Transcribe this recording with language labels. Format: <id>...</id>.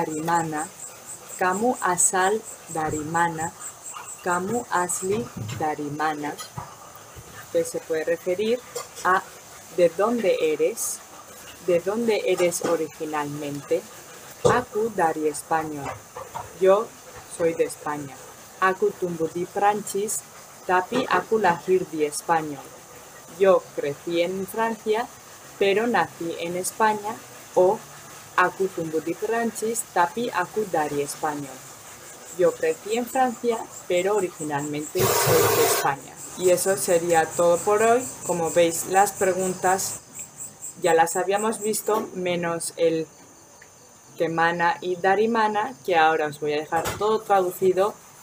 <id>Kamu asal Darimana. Kamu asli Darimana,</id> <es>que se puede referir a de dónde eres, originalmente.</es> <id>Aku dari España,</id> <es>yo soy de España.</es> <id>Aku tumbuh di Prancis, tapi aku lahir di España.</id> <es>Yo crecí en Francia, pero nací en España.</es> <id>O aku tumbuh di Prancis, tapi aku dari España.</id> <es>Yo crecí en Francia, pero originalmente soy de España. Y eso sería todo por hoy. Como veis, las preguntas ya las habíamos visto, menos el Temana y Darimana, que ahora os voy a dejar todo traducido.</es>